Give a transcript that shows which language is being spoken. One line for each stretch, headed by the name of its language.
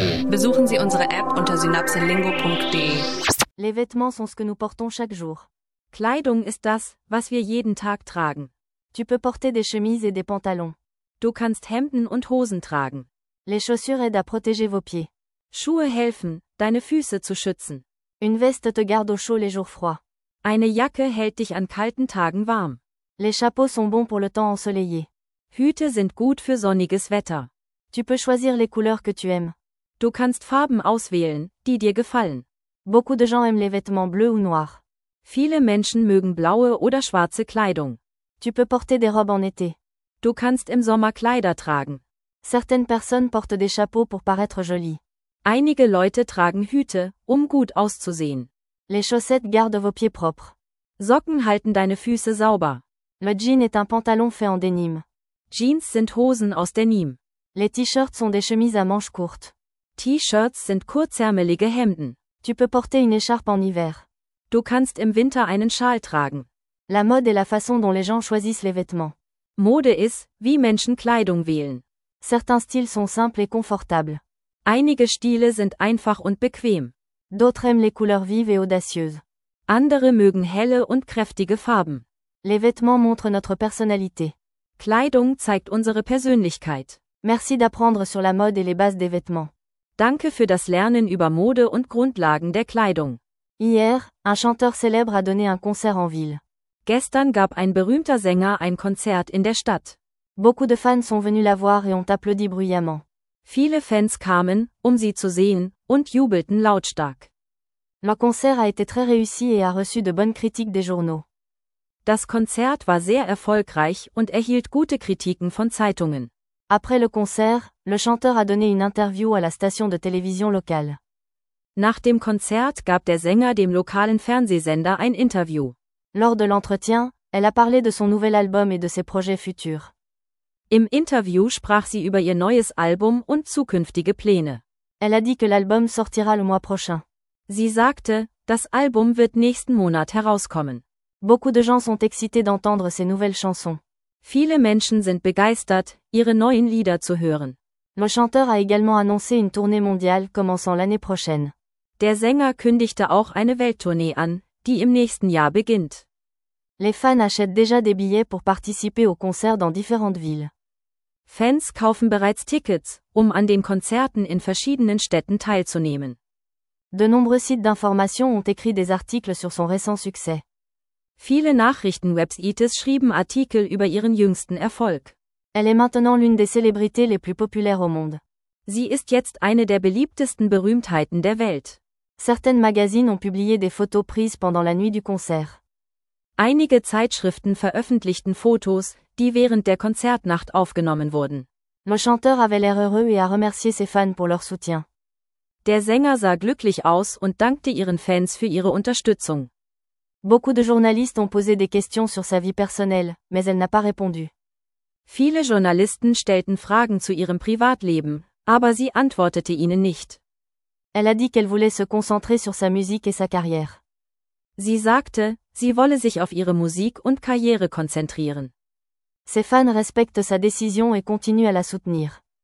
German: Besuchen Sie unsere App unter synapselingo.de.
French: Les vêtements sont ce que nous portons chaque jour.
German: Kleidung ist das, was wir jeden Tag tragen.
French: Tu peux porter des chemises et des pantalons.
German: Du kannst Hemden und Hosen tragen.
French: Les chaussures aident à protéger vos pieds.
German: Schuhe helfen, deine Füße zu schützen.
French: Une veste te garde au chaud les jours froids.
German: Eine Jacke hält dich an kalten Tagen warm.
French: Les chapeaux sont bons pour le temps ensoleillé.
German: Hüte sind gut für sonniges Wetter.
French: Tu peux choisir les couleurs que tu aimes.
German: Du kannst Farben auswählen, die dir gefallen.
French: Beaucoup de gens aiment les vêtements bleus ou noirs.
German: Viele Menschen mögen blaue oder schwarze Kleidung.
French: Tu peux porter des robes en été.
German: Du kannst im Sommer Kleider tragen.
French: Certaines personnes portent des chapeaux pour paraître jolie.
German: Einige Leute tragen Hüte, um gut auszusehen.
French: Les chaussettes gardent vos pieds propres.
German: Socken halten deine Füße sauber.
French: Le jean est un pantalon fait en denim.
German: Jeans sind Hosen aus Denim.
French: Les t-shirts sont des chemises à manches courtes.
German: T-shirts sind kurzärmelige Hemden.
French: Tu peux porter une écharpe en hiver.
German: Du kannst im Winter einen Schal tragen.
French: La mode est la façon dont les gens choisissent les vêtements.
German: Mode ist, wie Menschen Kleidung wählen.
French: Certains styles sont simples et confortables.
German: Einige Stile sind einfach und bequem.
French: D'autres aiment les couleurs vives et audacieuses.
German: Andere mögen helle und kräftige Farben.
French: Les vêtements montrent notre personnalité.
German: Kleidung zeigt unsere Persönlichkeit.
French: Merci d'apprendre sur la mode et les bases des vêtements.
German: Danke für das Lernen über Mode und Grundlagen der Kleidung.
French: Hier, un chanteur célèbre a donné un concert en ville.
German: Gestern gab ein berühmter Sänger ein Konzert in der Stadt.
French: Beaucoup de fans sont venus la voir et ont applaudi bruyamment.
German: Viele Fans kamen, um sie zu sehen, und jubelten lautstark.
French: Le concert a été très réussi et a reçu de bonnes critiques des journaux.
German: Das Konzert war sehr erfolgreich und erhielt gute Kritiken von Zeitungen.
French: Après le concert, le chanteur a donné une interview à la station de télévision locale.
German: Nach dem Konzert gab der Sänger dem lokalen Fernsehsender ein Interview.
French: Lors de l'entretien, elle a parlé de son nouvel album et de ses projets futurs.
German: Im Interview sprach sie über ihr neues Album und zukünftige Pläne.
French: Elle a dit que l'album sortira le mois prochain.
German: Sie sagte, das Album wird nächsten Monat herauskommen.
French: Beaucoup de gens sont excités d'entendre ses nouvelles chansons.
German: Viele Menschen sind begeistert, ihre neuen Lieder zu hören.
French: Le chanteur a également annoncé une tournée mondiale commençant l'année prochaine.
German: Der Sänger kündigte auch eine Welttournee an, die im nächsten Jahr beginnt.
French: Les fans achètent déjà des billets pour participer aux concerts dans différentes villes.
German: Fans kaufen bereits Tickets, um an den Konzerten in verschiedenen Städten teilzunehmen.
French: De nombreux sites d'information ont écrit des articles sur son récent succès.
German: Viele Nachrichtenwebsites schrieben Artikel über ihren jüngsten Erfolg.
French: Elle est maintenant l'une des célébrités les plus populaires au monde.
German: Sie ist jetzt eine der beliebtesten Berühmtheiten der Welt.
French: Certaines magazines ont publié des photos prises pendant la nuit du concert.
German: Einige Zeitschriften veröffentlichten Fotos, die während der Konzertnacht aufgenommen wurden.
French: Le chanteur avait l'air heureux et a remercié ses fans pour leur soutien.
German: Der Sänger sah glücklich aus und dankte ihren Fans für ihre Unterstützung.
French: Beaucoup de journalistes ont posé des questions sur sa vie personnelle, mais elle n'a pas répondu.
German: Viele Journalisten stellten Fragen zu ihrem Privatleben, aber sie antwortete ihnen nicht.
French: Elle a dit qu'elle voulait se concentrer sur sa musique et sa carrière.
German: Sie sagte, sie wolle sich auf ihre Musik und Karriere konzentrieren.
French: Ses fans respectent sa décision et continuent à la soutenir.